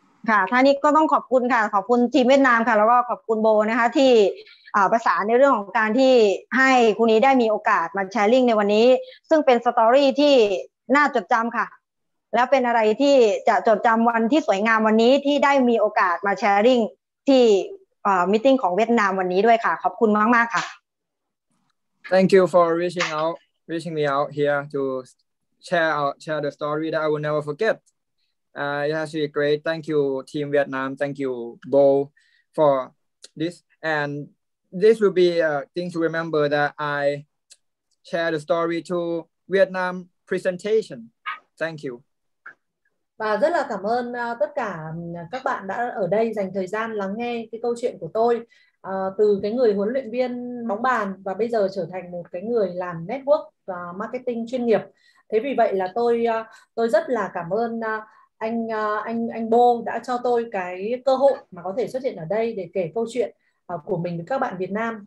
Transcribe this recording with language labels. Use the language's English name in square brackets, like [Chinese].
[Thai] ค่ะท่านนี้ก็ต้องขอบคุณค่ะขอบคุณทีมเวียดนามค่ะแล้วก็ขอบคุณโบนะคะที่ประสานในเรื่องของการที่ให้คุณนี้ได้มีโอกาสมาแชร์ลิงในวันนี้ซึ่งเป็นสตอรี่ที่น่าจดจำค่ะแล้วเป็นอะไรที่จะจดจำวันที่สวยงามวันนี้ที่ได้มีโอกาสมาแชร์ลิงที่มีติ้งของเวียดนามวันนี้ด้วยค่ะขอบคุณมากมากค่ะ [English] Thank you for reaching me out here to share the story that I will never forgetIt has been great. Thank you, Team Vietnam. Thank you, Bo, for this. And this will be a thing to remember that I share the story to Vietnam presentation. Thank you. [Vietnamese] Và rất là cảm ơn tất cả các bạn đã ở đây dành thời gian lắng nghe cái câu chuyện của tôi từ cái người huấn luyện viên bóng bàn và bây giờ trở thành một cái người làm network và marketing chuyên nghiệp. Thế vì vậy là tôi rất là cảm ơn. Anh Bo đã cho tôi cái cơ hội mà có thể xuất hiện ở đây để kể câu chuyện của mình với các bạn Việt Nam.